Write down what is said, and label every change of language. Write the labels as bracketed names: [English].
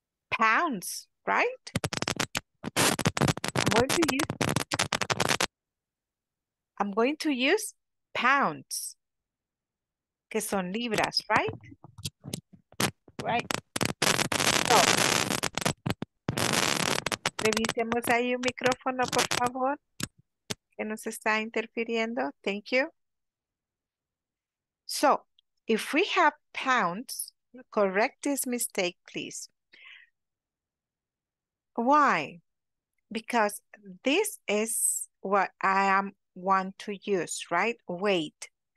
[English] Pounds, right? I'm going to use pounds, [Spanish] que son libras, [English] right? Right. [Spanish] So, revisemos ahí un micrófono, por favor, que nos está interfiriendo. [English] Thank you. So, if we have pounds, correct this mistake, please. Why? Because this is what I am want to use, right? Weight.